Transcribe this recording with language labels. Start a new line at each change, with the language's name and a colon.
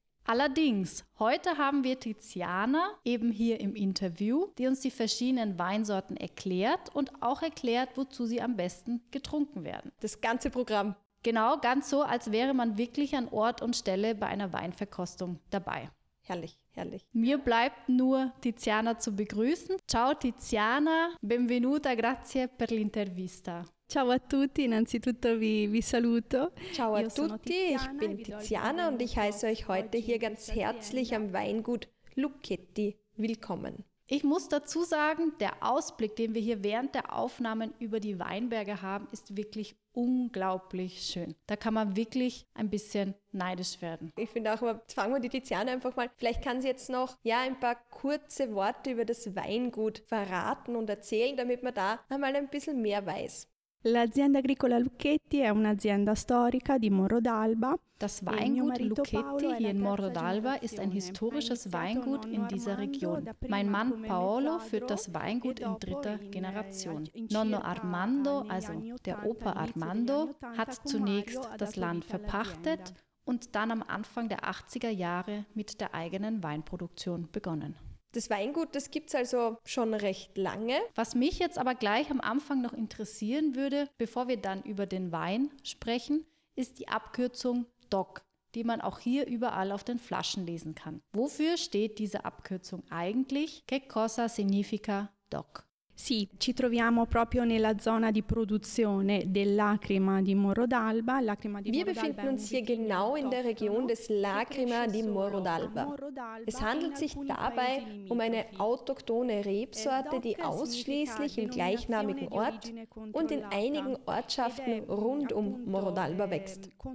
German: Allerdings, heute haben wir Tiziana eben hier im Interview, die uns die verschiedenen Weinsorten erklärt und auch erklärt, wozu sie am besten getrunken werden. Das ganze Programm. Genau, ganz so, als wäre man wirklich an Ort und Stelle bei einer Weinverkostung dabei. Herrlich, herrlich. Mir bleibt nur Tiziana zu begrüßen.
Italian: Ciao Tiziana, benvenuta, grazie per l'intervista. Ciao a tutti, innanzitutto vi saluto. Ciao a tutti,
German: ich bin Tiziana und ich heiße euch heute hier ganz herzlich am Weingut Lucchetti willkommen. Ich muss dazu sagen, der Ausblick, den wir hier während der Aufnahmen über die Weinberge haben, ist wirklich unglaublich schön. Da kann man wirklich ein bisschen neidisch werden. Ich finde auch, jetzt fangen wir die Tiziana einfach mal. Vielleicht kann sie jetzt noch ein paar kurze Worte über das Weingut verraten und erzählen, damit man da einmal ein bisschen mehr weiß.
Italian: L'azienda agricola Lucchetti è un'azienda storica di Morro d'Alba.
German: Das Weingut Lucchetti hier in Morro d'Alba ist ein historisches Weingut in dieser Region. Mein Mann Paolo führt das Weingut in dritter Generation. Nonno Armando, also der Opa Armando, hat zunächst das Land verpachtet und dann am Anfang der 80er Jahre mit der eigenen Weinproduktion begonnen. Das Weingut, das gibt es also schon recht lange. Was mich jetzt aber gleich am Anfang noch interessieren würde, bevor wir dann über den Wein sprechen, ist die Abkürzung DOC, die man auch hier überall auf den Flaschen lesen kann. Wofür steht diese Abkürzung eigentlich?
Italian: Che cosa significa DOC? Sì, ci troviamo proprio nella zona di produzione del Lacrima di Morro d'Alba.
German: Wir befinden uns hier genau in der Region des Lacrima di Morro d'Alba. Es handelt sich dabei um eine autochtone Rebsorte, die ausschließlich im gleichnamigen Ort und in einigen Ortschaften rund um Morro d'Alba wächst.